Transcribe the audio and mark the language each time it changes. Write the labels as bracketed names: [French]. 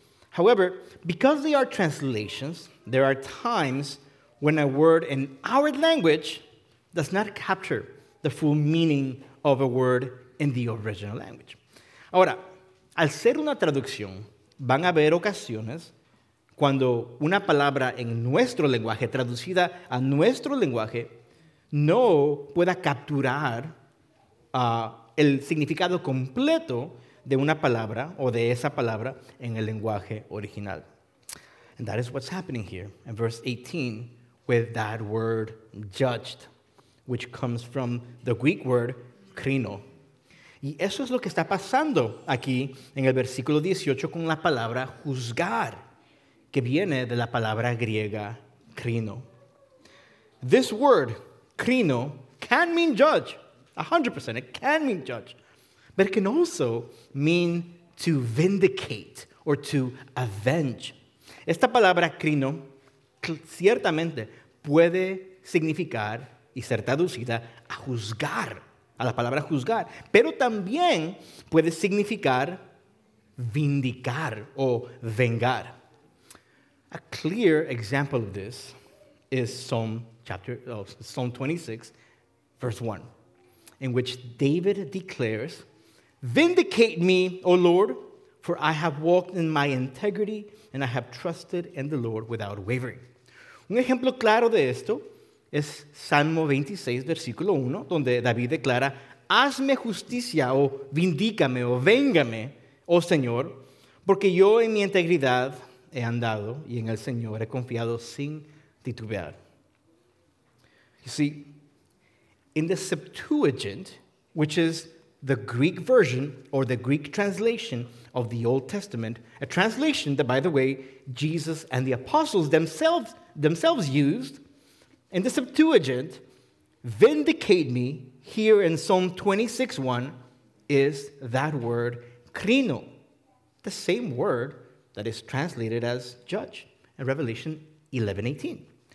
[English] However, because they are translations, there are times when a word in our language does not capture the full meaning of a word in the original language. [Spanish] Ahora, al ser una traducción, van a haber ocasiones cuando una palabra en nuestro lenguaje, traducida a nuestro lenguaje, no pueda capturar el significado completo de una palabra o de esa palabra en el lenguaje original. [English] And that is what's happening here in verse 18 with that word judged, which comes from the Greek word krino. [Spanish] Y eso es lo que está pasando aquí en el versículo 18 con la palabra juzgar, que viene de la palabra griega krino. [English] This word, krino, can mean judge. 100%, it can mean judge. But it can also mean to vindicate or to avenge. [Spanish] Esta palabra krino ciertamente puede significar y ser traducida a juzgar. A la palabra juzgar, pero también puede significar vindicar o vengar. [English] A clear example of this is Psalm 26, verse 1. in which David declares, "Vindicate me, O Lord, for I have walked in my integrity and I have trusted in the Lord without wavering." [Spanish] Un ejemplo claro de esto es Salmo 26, versículo 1, donde David declara, "Hazme justicia, o vindícame, o véngame, oh Señor, porque yo en mi integridad he andado y en el Señor he confiado sin titubear." [English] You see, in the Septuagint, which is the Greek version or the Greek translation of the Old Testament, a translation that, by the way, Jesus and the apostles themselves used, in the Septuagint, "vindicate me" here in Psalm 26:1 is that word krino, the same word that is translated as judge in Revelation 11:18.